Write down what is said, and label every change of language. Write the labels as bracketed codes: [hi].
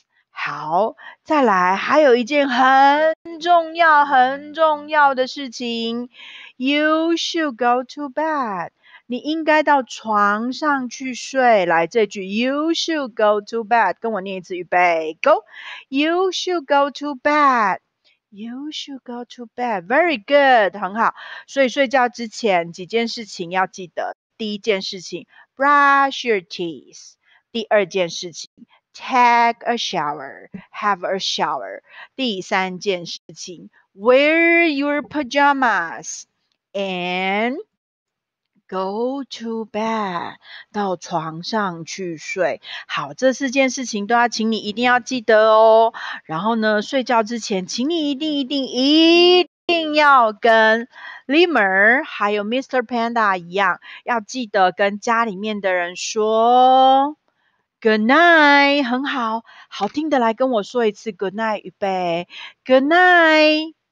[zh] 好，再来，还有一件很重要、很重要的事情 ， [en] You should go to bed。 [zh] 你应该到床上去睡。来，这句 ， [en] You should go to bed， [zh] 跟我念一次，预备 ，Go。 [en] You should go to bed。 You should go to bed. Very good. [zh] 很好。所以睡觉之前几件事情要记得。第一件事情 , [en] brush your teeth. [zh] 第二件事情 , [en] take a shower. Have a shower. [zh] 第三件事情 [en] ,wear your pajamas. And go to bed. [zh] 到床上去睡。好，这四件事情都要请你一定要记得哦。然后呢，睡觉之前请你一定要跟 Limmer 还有 Mr. Panda 一样，要记得跟家里面的人说 [en] Good night. [zh] 很好，好听的来跟我说一次 [en] Good night. [zh] 预备 [en] Good night.